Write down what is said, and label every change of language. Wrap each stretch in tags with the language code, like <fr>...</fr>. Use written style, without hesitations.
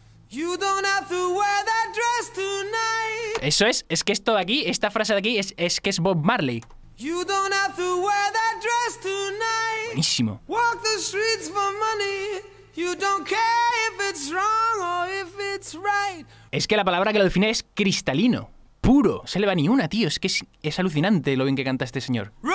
<en>You don't have to wear that dress tonight.</en> <es>Eso es que esto de aquí, esta frase de aquí es que es Bob Marley.</es> <en>You don't have to wear that dress tonight.</en> <es>Buenísimo.</es> <en>Walk the streets for money. You don't care if it's wrong or if it's right.</en> <es>Es que la palabra que lo define es cristalino, puro. No se le va ni una, tío, es que es alucinante lo bien que canta este señor.</es>